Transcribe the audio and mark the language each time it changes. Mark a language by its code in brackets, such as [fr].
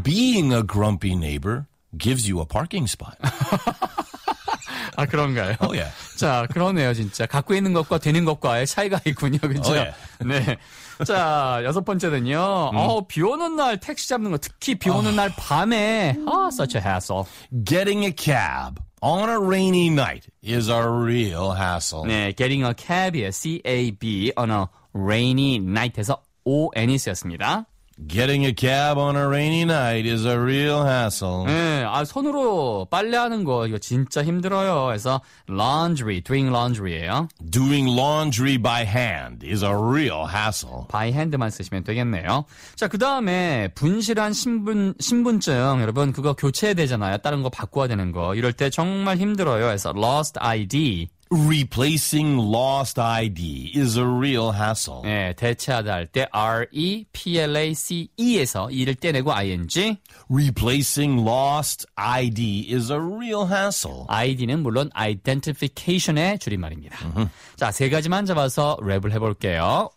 [en] Being a grumpy neighbor gives you a parking spot. [ko] 아, 그런가요? [en] Oh, yeah. [ko] 자, 그러네요, 진짜. 갖고 있는 것과 되는 것과의 차이가 있군요, 그죠? [en] Oh, yeah. [ko] 네. 자, 여섯 번째는요. 비 오는 날 택시 잡는 거, 특히 비 오는 날 밤에. [en] Such a hassle. Getting a cab on a rainy night is a real hassle. [ko] 네, [en] getting a cab, C-A-B, on a rainy night [ko] 해서 O-N-E-C였습니다. [en] Getting a cab on a rainy night is a real hassle. [ko] 네, 아, 손으로 빨래하는 거 이거 진짜 힘들어요. 그래서 laundry, [en] doing laundry [ko] 예요. [en] Doing laundry by hand is a real hassle. By hand [ko] 만 쓰시면 되겠네요. 자, 그다음에 분실한 신분증, 여러분 그거 교체해야 되잖아요. 다른 거 바꿔야 되는 거. 이럴 때 정말 힘들어요. 그래서 lost ID. [en] Replacing lost ID is a real hassle. [ko] 네, 대체하다 할 때 R-E-P-L-A-C-E에서 E를 떼내고 ING. [en] Replacing lost ID is a real hassle. [ko] ID는 물론 identification의 줄임말입니다. 자, 세 가지만 잡아서 랩을 해볼게요.